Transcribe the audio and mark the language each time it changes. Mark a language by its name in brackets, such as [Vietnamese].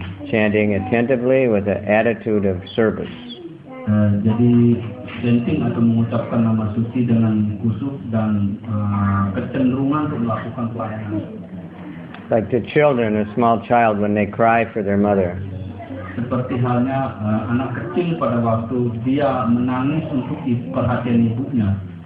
[English] chanting attentively with an attitude of service. [Indonesian] Jadi penting atau mengucapkan nama suci dengan khusyuk dan kecenderungan untuk melakukan pelayanan. [English] Like the children, a small child when they cry for their mother. [Indonesian] Seperti halnya anak kecil pada waktu dia menangis untuk perhatian ibunya.